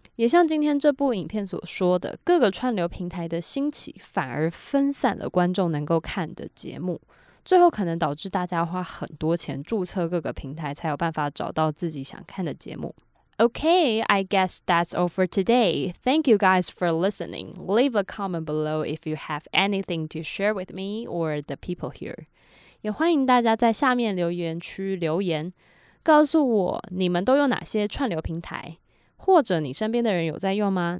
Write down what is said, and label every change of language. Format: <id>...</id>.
<zh>也像今天这部影片所说的，各个串流平台的兴起反而分散了观众能够看的节目，最后可能导致大家花很多钱注册各个平台才有办法找到自己想看的节目。</zh> <en>Okay, I guess that's all for today. Thank you guys for listening. Leave a comment below if you have anything to share with me or the people here.</en> <zh>也欢迎大家在下面留言区留言，告诉我你们都有哪些串流平台，或者你身边的人有在用吗？</zh>